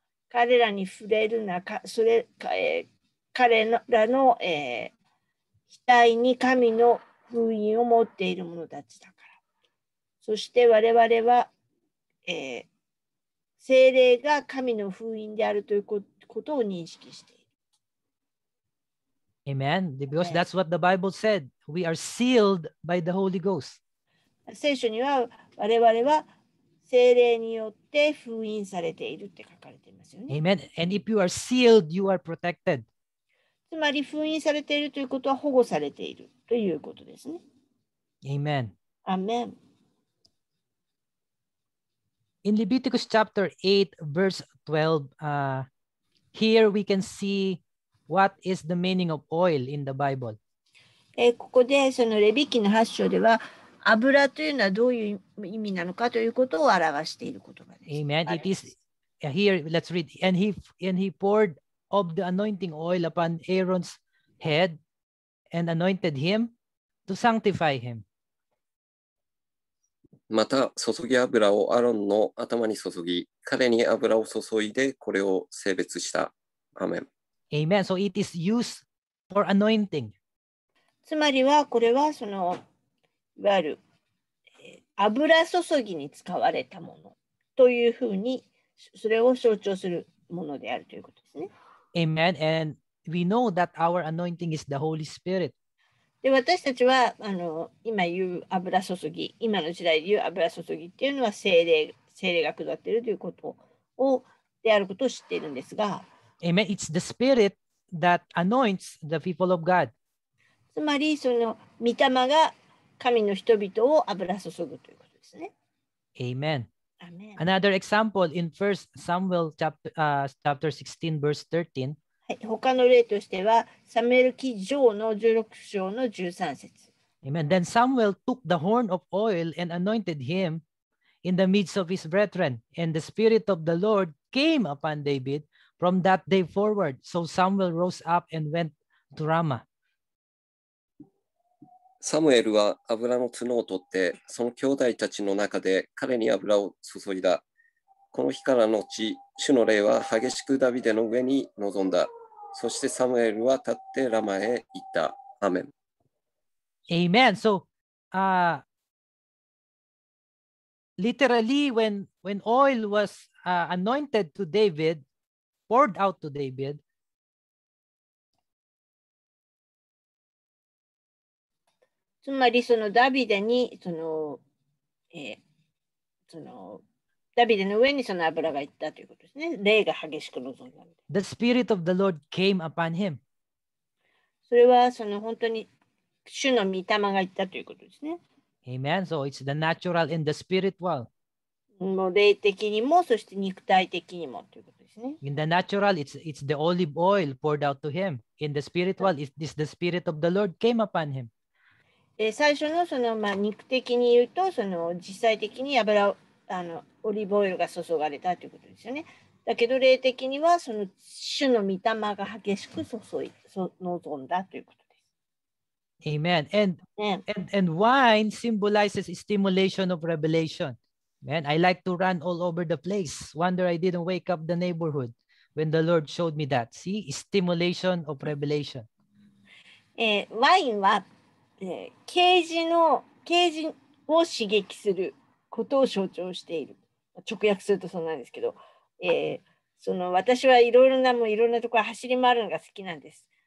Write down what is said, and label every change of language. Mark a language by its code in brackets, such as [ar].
[ja] 彼らに触れるな。それ、彼らの、額に神の封印を持っている者たちだから。そして我々は、聖霊が神の封印であるということを認識している。 [en] Amen. Because that's what the Bible said. We are sealed by the Holy Ghost. [ja] 聖書には我々は聖霊によって封印されているって書かれていますよね。 [en] Amen. And if you are sealed, you are protected. [ja] つまり封印されているということは保護されているということですね。 [en] Amen. Amen. In Leviticus chapter 8, verse 12, here we can see what is the meaning of oil in the Bible. [ja] ここでそのレビ記の8章では油というのはどういう意味なのかということを表している言葉です。 [en] Amen. It is here, let's read. And he poured. Of the anointing oil upon Aaron's head and anointed him to sanctify him. [ja] また注ぎ油をアロンの頭に注ぎ、彼に油を注いでこれを聖別した。アメン。 [en] Amen. So it is used for anointing. [ja] つまりはこれはそのいわゆる油注ぎに使われたものというふうにそれを象徴するものであるということですね。 [en] Amen. And we know that our anointing is the Holy Spirit. [ja] で私たちは今言う油注ぎ、今の時代で言う油注ぎっていうのは聖霊が下っているということをであることを知っているんですが、 [en] Amen. It's the Spirit that anoints the people of God. [ja] つまりその御霊が神の人々を油注ぐということですね。 [en] Amen. Amen. Another example in 1 Samuel chapter 16, verse 13. [ja] 他の例としては、サムエル記上の16章の13節。 [en] Amen. Then Samuel took the horn of oil and anointed him in the midst of his brethren, and the Spirit of the Lord came upon David From that day forward, so Samuel rose up and went to Ramah. [ja] サムエルは油の角を取って、その兄弟たちの中で彼に油を注いだ。この日から後、主の霊は激しくダビデの上に臨んだ。そしてサムエルは立ってラマへ行った。アメン。 [en] Amen. So, literally, when oil was anointed to David, poured out to David, [ja] つまりそのダビデにその、そのダビデの上にその油が行ったということですね。霊が激しく臨んだ。 [en] The Spirit of the Lord came upon him。 [ja] それはその本当に主の御霊が行ったということですね。 [en] Amen. So it's the natural and the spiritual。 [ja] もう霊的にもそして肉体的にもということですね。 [en] In the natural, it's the olive oil poured out to him. In the spiritual, it's the Spirit of the Lord came upon him。 [ja] 最初のそのまあ肉的に言うとその実際的に油をあのオリーブオイルが注がれたということですよね。だけど霊的にはその主の御霊が激しく注いそ望んだということです。 [en] Amen. And wine symbolizes stimulation of revelation. Man, I like to run all over the place. Wonder I didn't wake up the neighborhood when the Lord showed me that. See, stimulation of revelation. [ja] ワインは刑事の刑事を刺激することを象徴している。直訳するとそうなんですけど、その私はいろんなところ走り回るのが好きなんです。